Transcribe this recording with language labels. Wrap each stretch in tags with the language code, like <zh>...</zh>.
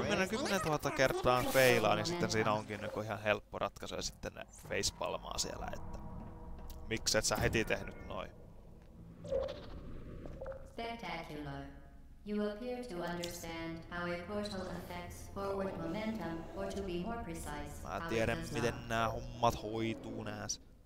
<fi>10,000 kertaa feilaan ja sitten siinä onkin niinku ihan helppo ratkaisu ja sitten ne facepalmaa siellä, että... Miksi et sä heti tehnyt noin?</fi> <en>Spectacular. You appear to understand how a portal affects forward momentum, or to be more precise, how it does not.</en> <fi>Mä tiedän, miten nää hommat hoituu nääs.</fi>